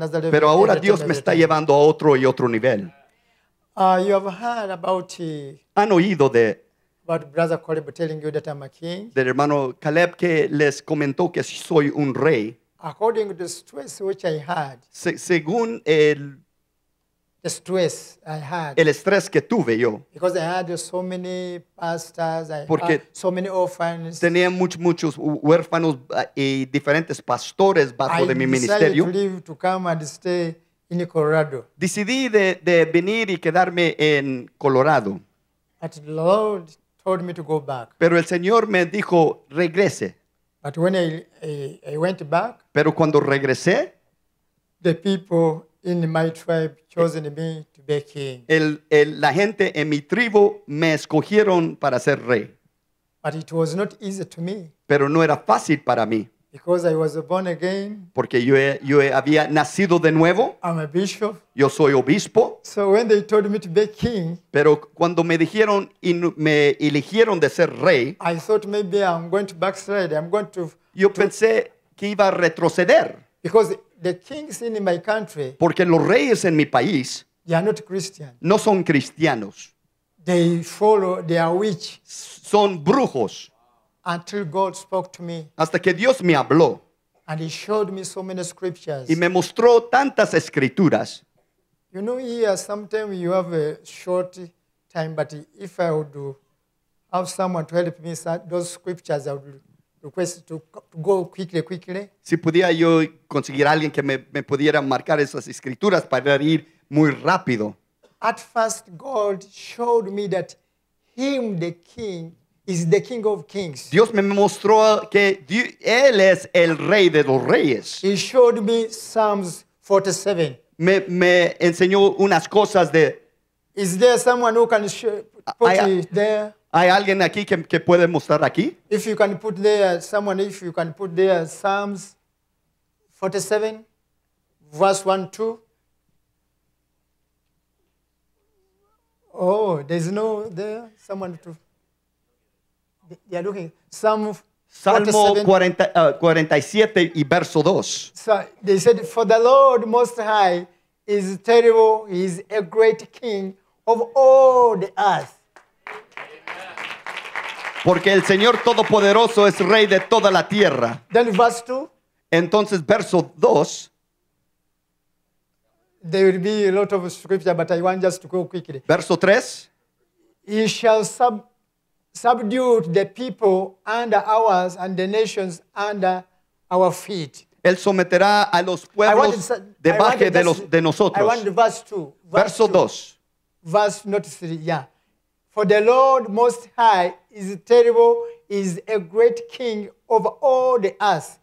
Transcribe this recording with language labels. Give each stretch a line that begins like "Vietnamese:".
Spanish: Pero ahora Dios me está llevando a otro y otro nivel.
English: You have heard about,
Spanish: ¿Han oído de
English: about Brother Caleb telling you that I'm a king?
Spanish: Del hermano Caleb que les comentó que soy un rey?
English: According to the stress which I had,
Spanish: según el
English: The stress I had.
Spanish: El estrés que tuve yo.
English: Because I had so many pastors,
Spanish: Porque
English: so many orphans.
Spanish: Tenía muchos huérfanos y diferentes pastores bajo de mi ministerio.
English: I decided to come and stay in Colorado.
Spanish: Decidí de venir y quedarme en Colorado.
English: But the Lord told me to go back.
Spanish: Pero el Señor me dijo, regrese.
English: But when I went back,
Spanish: Pero cuando regresé,
English: the people in my tribe chosen me to be king.
Spanish: La gente en mi tribu me escogieron para ser rey.
English: But it was not easy to me.
Spanish: Pero no era fácil para mí.
English: Because I was born again.
Spanish: Porque yo había nacido de nuevo.
English: I'm a bishop.
Spanish: Yo soy obispo.
English: So when they told me to be king.
Spanish: Pero cuando me dijeron y me eligieron de ser rey.
English: I thought maybe I'm going to backslide. I'm going to.
Spanish: Yo pensé que iba a retroceder.
English: Because the kings in my country,
Spanish: porque los reyes en mi país,
English: they are not Christian.
Spanish: No son cristianos.
English: They follow, they are witch.
Spanish: Son brujos.
English: until God spoke to me.
Spanish: Hasta que Dios me habló.
English: And he showed me so many scriptures.
Spanish: Y me mostró tantas escrituras.
English: You know, here sometimes you have a short time, but if I would have someone to help me, those scriptures I would request to go quickly.
Spanish: Si pudiera yo conseguir alguien que me pudiera marcar esas escrituras para ir muy rápido.
English: At first, God showed me that Him, the King, is the King of Kings.
Spanish: Dios me mostró que Él es el Rey de los Reyes.
English: He showed me Psalms 47.
Spanish: Me enseñó unas cosas de.
English: Is there someone who can put it there?
Spanish: ¿Hay alguien aquí que puede mostrar aquí?
English: If you can put there someone, if you can put there Psalms 47, verse 1-2. Oh, there's no there someone to. They are looking.
Spanish: Salmo 47 y verso
English: 2. So they said, "For the Lord Most High is terrible; He is a great King of all the earth."
Spanish: Porque el Señor Todopoderoso es Rey de toda la tierra.
English: Then verse 2.
Spanish: Entonces verso 2.
English: There will be a lot of scripture, but I want just to go quickly.
Spanish: Verso 3.
English: He shall subdue the people under ours and the nations under our feet.
Spanish: Él someterá a los pueblos debajo de nosotros.
English: I want verse 2.
Spanish: Verso 2.
English: Verse not 3, yeah. For the Lord Most High is terrible, is a great King of all the earth.